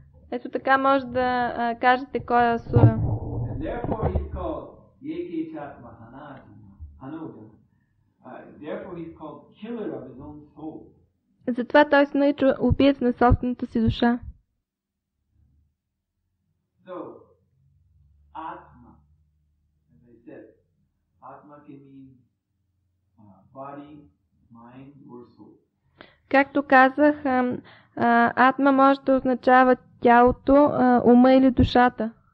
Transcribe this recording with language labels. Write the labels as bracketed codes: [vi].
[bg] Ето така може да кажете кой е Асура. [en] And therefore he's called Yekechat Mahanati, Hanoga. Therefore he's called killer of his own soul. [bg] Затова той се нарича убиец на собствената си душа. [en] So, atma, as I said, atma can mean body, mind or soul. [bg] Както казах, атма може да означава тялото, ума или душата.